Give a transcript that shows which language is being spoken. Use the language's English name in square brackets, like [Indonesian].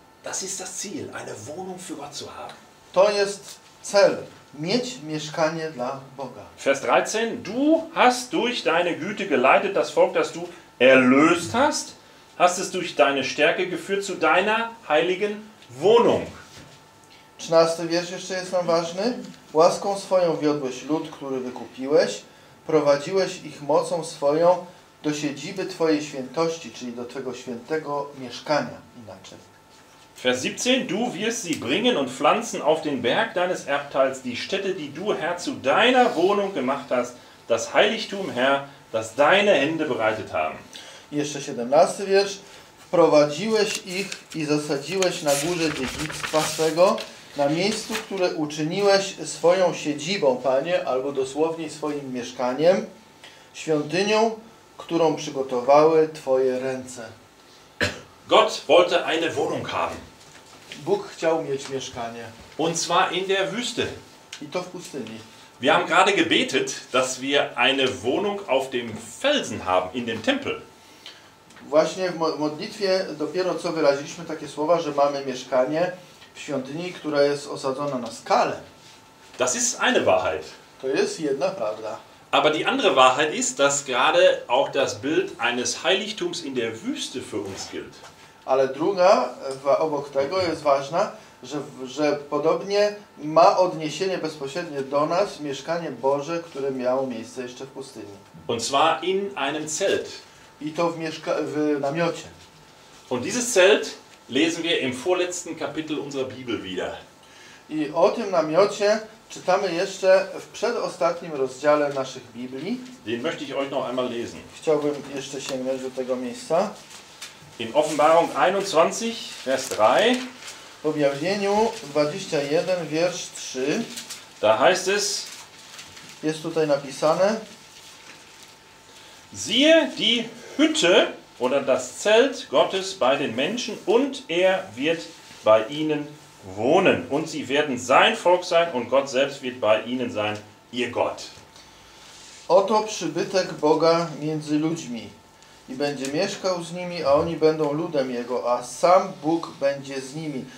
[German] Das ist das Ziel, eine Wohnung für Gott zu haben. [Polish] To jest cel, mieć mieszkanie dla Boga. [German] Vers 13, du hast durch deine Güte geleitet das Volk, das du erlöst hast, hast es durch deine Stärke geführt zu deiner heiligen Wohnung. [Polish] 13 wiersz jeszcze jest nam ważny. Łaską swoją wiodłeś lud, który wykupiłeś, prowadziłeś ich mocą swoją do siedziby Twojej świętości, czyli do Twojego świętego mieszkania, inaczej. [German] Vers 17, du wirst sie bringen und pflanzen auf den Berg deines Erbteils die Stätte, die du, Herr, zu deiner Wohnung gemacht hast, das Heiligtum, Herr, das deine Hände bereitet haben. [Polish] Jeszcze 17 wiersz. Wprowadziłeś ich i zasadziłeś na górze dziedzictwa swego, na miejscu, które uczyniłeś swoją siedzibą, Panie, albo dosłownie swoim mieszkaniem, świątynią, którą przygotowały Twoje ręce. [German] Gott wollte eine Wohnung haben. [Polish] Bóg chciał mieć mieszkanie. [German] Und zwar in der Wüste. [Polish] I to w pustyni. [German] Wir haben gerade gebetet, dass wir eine Wohnung auf dem Felsen haben, in dem Tempel. [Polish] Właśnie w modlitwie dopiero co wyraziliśmy takie słowa, że mamy mieszkanie w świątyni, która jest osadzona na skale. [German] Das ist eine Wahrheit. [Polish] To jest jedna prawda. [German] Aber die andere Wahrheit ist, dass gerade auch das Bild eines Heiligtums in der Wüste für uns gilt. [Polish] Ale druga, obok tego jest ważna, że podobnie ma odniesienie bezpośrednie do nas mieszkanie Boże, które miało miejsce jeszcze w pustyni. [German] Und zwar in einem Zelt. [Polish] I to w namiocie. [German] Und dieses Zelt lesen wir im vorletzten Kapitel unserer Bibel wieder. [Polish] I o tym namiocie czytamy jeszcze w przedostatnim rozdziale naszych Biblii. [German] Den möchte ich euch noch einmal lesen. [Polish] Chciałbym jeszcze sięgnąć do tego miejsca. [German] In Offenbarung 21, Vers 3. [Polish] W Objawieniu 21, [German] Vers 3. Da heißt es. [Polish] Jest tutaj napisane. [German] Siehe die Hütte oder das Zelt Gottes bei den Menschen und er wird bei ihnen wohnen und sie werden sein Volk sein und Gott selbst wird bei ihnen sein, ihr Gott. [Polish] Oto przybytek Boga między ludźmi i będzie mieszkał z nimi, a oni będą ludem Jego, a sam Bóg będzie z nimi.